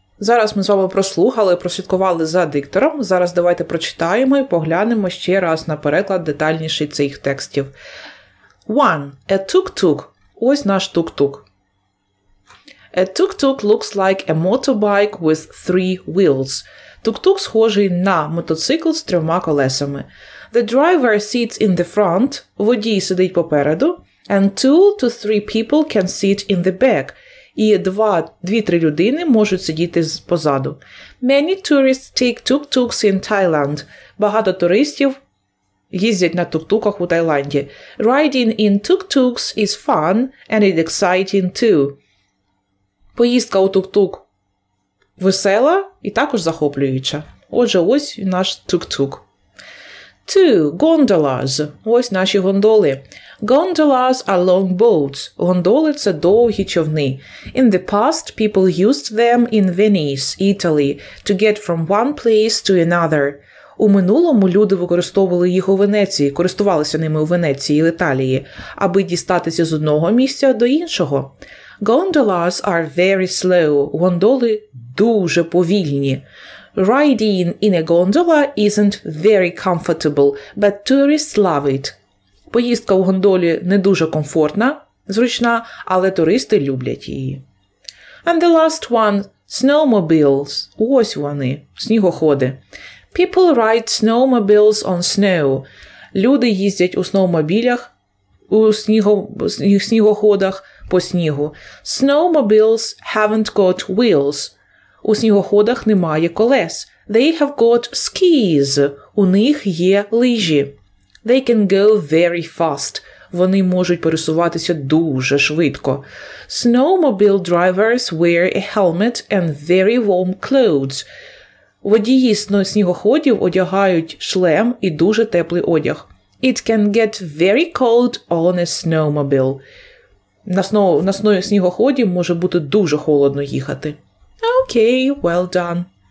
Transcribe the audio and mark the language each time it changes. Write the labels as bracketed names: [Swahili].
[Ukrainian] Зараз ми з вами прослухали, прослідкували за диктором. Зараз давайте прочитаємо і поглянемо ще раз на переклад детальніший цих текстів. [English] 1. A tuk-tuk. [Ukrainian] Ось наш тук-тук. [English] A tuk-tuk looks like a motorbike with three wheels. [Ukrainian] Тук-тук схожий на мотоцикл з трьома колесами. [English] The driver sits in the front. [Ukrainian] Водій сидить попереду. [English] And 2 to 3 people can sit in the back. [Ukrainian] І 2-3 людини можуть сидіти позаду. [English] Many tourists take tuk-tuks in Thailand. [Ukrainian] Багато туристів їздять на тук-туках у Таїланді. [English] Riding in tuk-tuks is fun and it's exciting too. [Ukrainian] Поїздка у тук-тук весела і також захоплююча. Отже, ось наш тук-тук. [English] Two – gondolas. [Ukrainian] Ось наші гондоли. [English] Gondolas are long boats. [Ukrainian] Гондоли – це довгі човни. [English] In the past, people used them in Venice, Italy, to get from one place to another. [Ukrainian] У минулому люди використовували їх у Венеції, користувалися ними у Венеції і Італії, аби дістатися з одного місця до іншого. [English] Gondolas are very slow. [Ukrainian] Гондоли дуже повільні. [English] Riding in a gondola isn't very comfortable, but tourists love it. [Ukrainian] Поїздка в гондолі не дуже комфортна, зручна, але туристи люблять її. [English] And the last one – snowmobiles. [Ukrainian] Ось вони – снігоходи. [English] People ride snowmobiles on snow. [Ukrainian] Люди їздять у сновмобілях, у снігоходах по снігу. [English] Snowmobiles haven't got wheels. [Ukrainian] У снігоходах немає колес. [English] They have got skis. [Ukrainian] У них є лижі. [English] They can go very fast. [Ukrainian] Вони можуть пересуватися дуже швидко. [English] Snowmobile drivers wear a helmet and very warm clothes. [Ukrainian] Водії снігоходів одягають шлем і дуже теплий одяг. [English] It can get very cold on a snowmobile. [Ukrainian] На снігоході може бути дуже холодно їхати. [English] Окей, well done.